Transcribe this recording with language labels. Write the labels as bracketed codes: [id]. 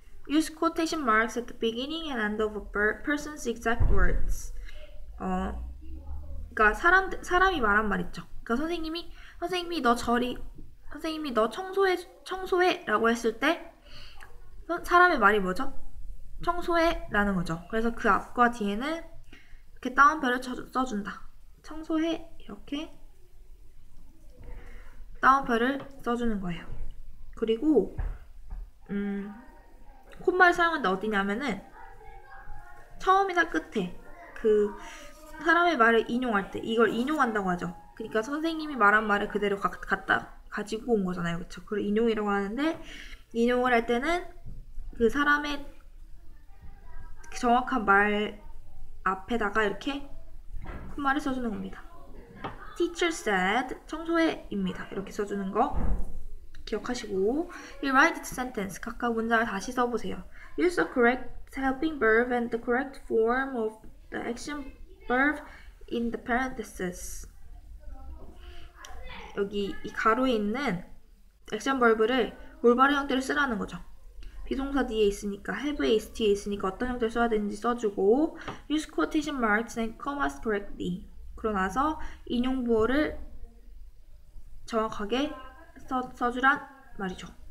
[en] Use quotation marks at the beginning and end of a person's exact words. [ko] 그러니까 사람이 말한 말 있죠. 그러니까 선생님이 너 저리 선생님이 너 청소해 라고 했을 때 사람의 말이 뭐죠? 청소해 라는 거죠. 그래서 그 앞과 뒤에는 이렇게 따옴표를 써준다. 청소해 이렇게 따옴표를 써주는 거예요. 그리고 콤마를 사용한다 어디냐면은 처음이나 끝에 그 사람의 말을 인용할 때 이걸 인용한다고 하죠. 그러니까 선생님이 말한 말을 그대로 가지고 온 거잖아요. 그쵸? 그걸 인용이라고 하는데 인용을 할 때는 그 사람의 정확한 말 앞에다가 이렇게 콤마를 써주는 겁니다. [en] Teacher said [ko] 청소해 입니다. 이렇게 써주는 거 기억하시고 [en] Rewrite the sentence. [ko] 각각 문장을 다시 써보세요. [en] Use the correct helping verb and the correct form of the action verb in the parentheses. [ko] 여기 이 가로에 있는 액션 버브를 올바른 형태로 쓰라는 거죠. 비동사 뒤에 있으니까 have, is, t에 있으니까 어떤 형태로 써야 되는지 써주고 [en] use quotation marks and commas correctly. [ko] 그러고 나서 인용 부호를 정확하게 써주란 말이죠.